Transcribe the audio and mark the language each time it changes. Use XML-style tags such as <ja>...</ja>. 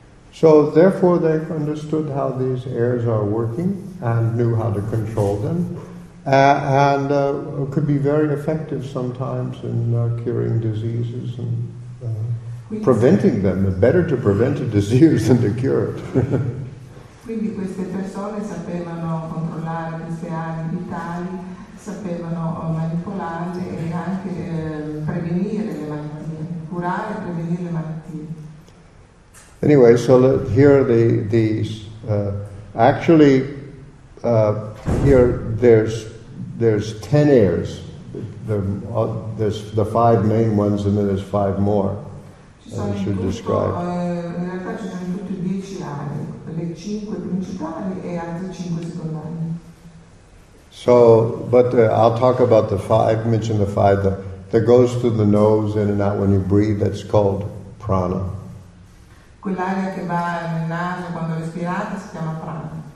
<en>So therefore they understood how these airs are working and knew how to control them. And could be very effective sometimes in curing diseases and preventing them. Better to prevent a disease than to cure it.</en> <it>Quindi queste persone sapevano controllare queste aree vitali, sapevano manipolarle e anche prevenire le malattie, curare e prevenire le malattie.</it> <en>Anyway, so here the these actually here there's 10 airs. There's the five main ones, and then there's five more that I should describe.</en> <it>In realtà ci sono tutte 10 aree, le 5 principali e altre 5 secondarie.</it> <en>So, but I'll talk about the five. Mention the five that goes through the nose in and out when you breathe. That's called prana.</en> <it>Quell'aria che va nel naso quando respirate si chiama prana.</it>